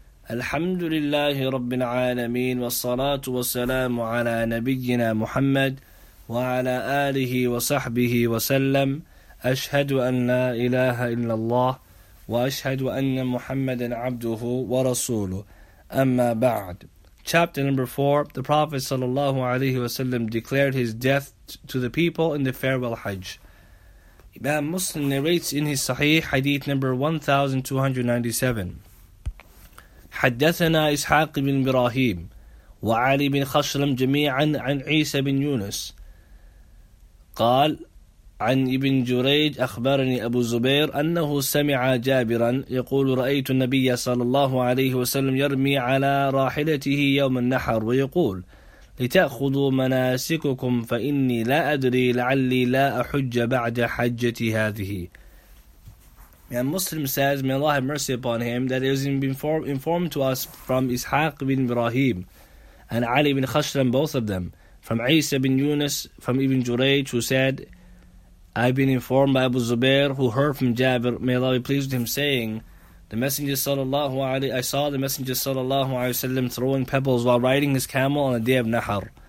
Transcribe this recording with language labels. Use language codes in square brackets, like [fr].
[ar] الحمد لله رب العالمين، والصلاة والسلام على نبينا محمد وعلى آله وصحبه وسلم. أشهد أن لا إله إلا الله وأشهد أن محمدا عبده ورسوله. أما بعد. [en] Chapter number 4. The Prophet [ar] صلى الله عليه وسلم [en] declared his death to the people in the farewell Hajj. Imam Muslim narrates in his Sahih Hadith number 1297. [ar] حدثنا إسحاق بن إبراهيم وعلي بن خشرم جميعا عن عيسى بن يونس قال عن ابن جريج أخبرني أبو زبير أنه سمع جابرا يقول رأيت النبي صلى الله عليه وسلم يرمي على راحلته يوم النحر ويقول لتأخذوا مناسككم فإني لا أدري لعلي لا أحج بعد حجتي هذه. [en] And Muslim says, may Allah have mercy upon him, that it was informed to us from Ishaq bin Ibrahim and Ali bin Khashram, both of them, from Isa bin Yunus, from Ibn Juraj, who said, I've been informed by Abu Zubair, who heard from Jabir, may Allah be pleased with him, saying, I saw the Messenger sallallahu alaihi wasallam throwing pebbles while riding his camel on the day of Nahar.